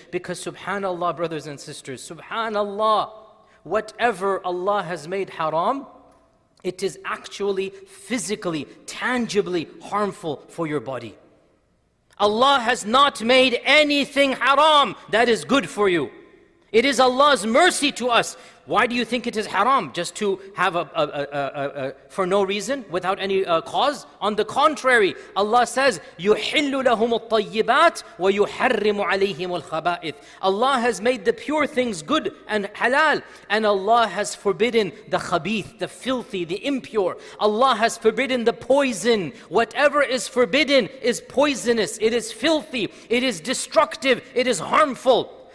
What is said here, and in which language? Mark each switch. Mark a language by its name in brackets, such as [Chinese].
[English] Because subhanallah, brothers and sisters, subhanallah, whatever Allah has made haram, it is actually physically, tangibly harmful for your body. Allah has not made anything haram that is good for you. It is Allah's mercy to us. Why do you think it is haram just to have a for no reason, without any cause? On the contrary, Allah says, [Arabic] يُحِلُّ لَهُمُ الطَّيِّبَاتِ وَيُحَرِّمُ عَلَيْهِمُ الْخَبَائِثِ. [English] Allah has made the pure things good and halal, and Allah has forbidden the khabith, the filthy, the impure. Allah has forbidden the poison. Whatever is forbidden is poisonous, it is filthy, it is destructive, it is harmful.